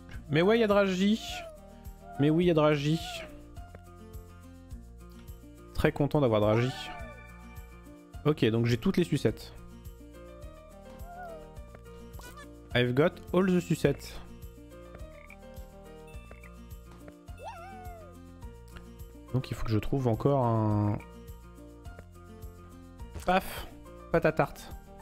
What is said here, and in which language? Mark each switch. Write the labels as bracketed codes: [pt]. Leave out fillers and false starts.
[fr] Mais ouais, y'a Dragi. Mais oui, y'a Dragi. Très content d'avoir Dragi. Ok, donc j'ai toutes les sucettes. [en] I've got all the sucettes. [fr] Donc il faut que je trouve encore un... Paf, pâte à tarte.